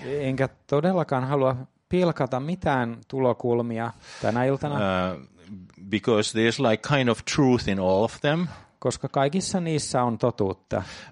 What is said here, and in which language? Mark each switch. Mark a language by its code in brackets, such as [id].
[fi] Enkä todellakaan halua pilkata mitään tulokulmia tänä iltana. [en] Because there's like kind of truth in all of them. [fi] Koska kaikissa niissä on totuutta.